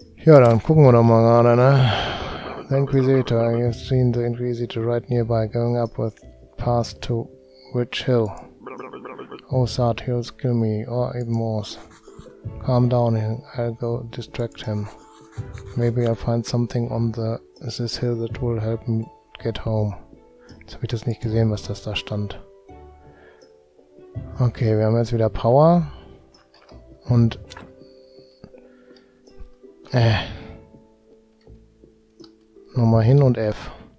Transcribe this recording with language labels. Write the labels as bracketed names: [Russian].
[German] Ja, dann gucken wir doch mal gerade, ne? [English] The Inquisitor. You've seen the Inquisitor right nearby, going up with pass to Witch Hill. Ozart, he'll kill me, or even worse. Calm down, I'll go distract him. Maybe I'll find something on the this hill that will help me get home. [German] Jetzt habe ich das nicht gesehen, was das da stand. Okay, wir haben jetzt wieder Power. Und... Nochmal hin und F.